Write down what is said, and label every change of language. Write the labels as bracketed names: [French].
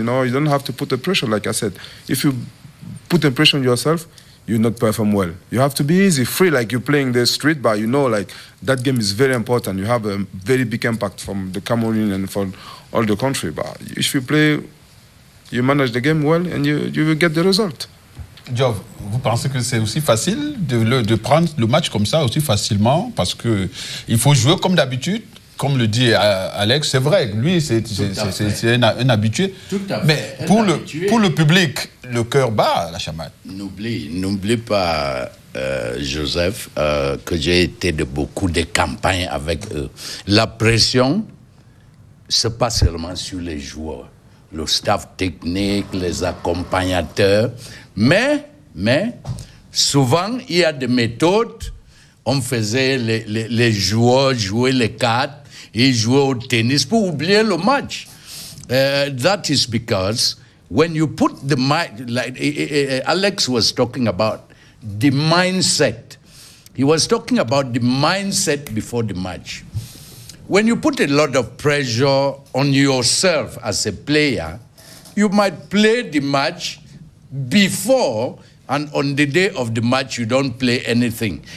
[English] You know, you don't have to put the pressure, like I said. If you put the pressure on yourself, you not perform well. You have to be easy, free, like you're playing the street, but you know, like, that game is very important. You have a very big impact from the Cameroon and from all the country, but if you play, you manage the game well, and you will get the result. [French] Jov, vous pensez que c'est aussi facile de prendre le match comme ça aussi facilement, parce que il faut jouer comme d'habitude, comme le dit Alex, c'est vrai, lui, c'est un habitué. Tout à fait. Mais pour le public, le cœur bat, la chamade. N'oublie pas, Joseph, que j'ai été de beaucoup de campagnes avec eux. La pression, c'est pas seulement sur les joueurs, le staff technique, les accompagnateurs, mais souvent, il y a des méthodes. On faisait les joueurs jouer les cartes, ils jouaient au tennis pour oublier le match. [English] That is because when you put the mind, like Alex was talking about the mindset. He was talking about the mindset before the match. When you put a lot of pressure on yourself as a player, you might play the match before, and on the day of the match, you don't play anything.